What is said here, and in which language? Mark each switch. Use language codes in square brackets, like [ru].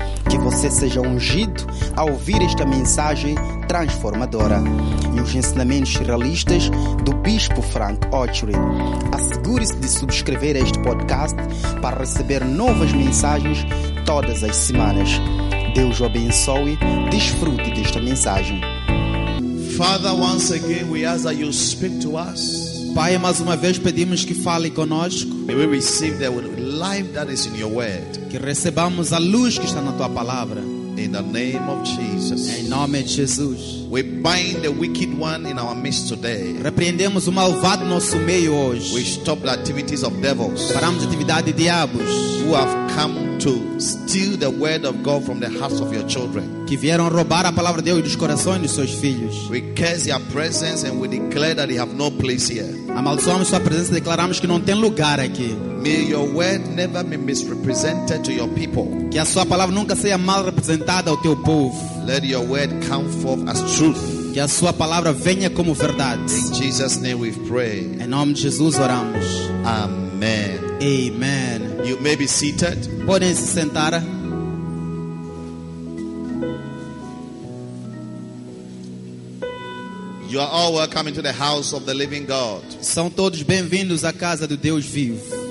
[pt] Que você seja ungido a ouvir esta mensagem transformadora e os ensinamentos realistas do Bispo Frank Ochoa. Asegure-se de subscrever este podcast para receber novas mensagens todas as semanas. Deus o abençoe. Desfrute desta mensagem. [en] Father, once again we ask that you speak to us. [pt] Pai, mais uma vez pedimos que fale conosco. [en] May we receive the life that is in your word. [pt] Que recebamos a luz que está na tua palavra. [en] In the name of Jesus. [pt] Em nome de Jesus. [en] We bind the wicked one in our midst today. [pt] Repreendemos o malvado no nosso meio hoje. [en] We stop the activities of devils. [pt] Paramos a atividade de diabos. [en] Who have come to steal the word of God from the hearts of your children. [pt] Que vieram roubar a palavra de Deus dos corações dos seus filhos. [en] We curse your presence and we declare that you have no place here. [pt] Amaldiçoamos sua presença e declaramos que não tem lugar aqui. [en] May your word never be misrepresented to your people. [pt] Que a sua palavra nunca seja mal representada ao teu povo. [en] Let your word come forth as truth. [pt] Que a sua palavra venha como verdade. [en] In Jesus' name we pray. [pt] Em nome de Jesus oramos. [en] Amen. [pt] Amen. [en] You may be seated. [pt] Podem se sentar. [en] You are all welcome into the house of the living God. [pt] São todos bem-vindos à casa do Deus vivo.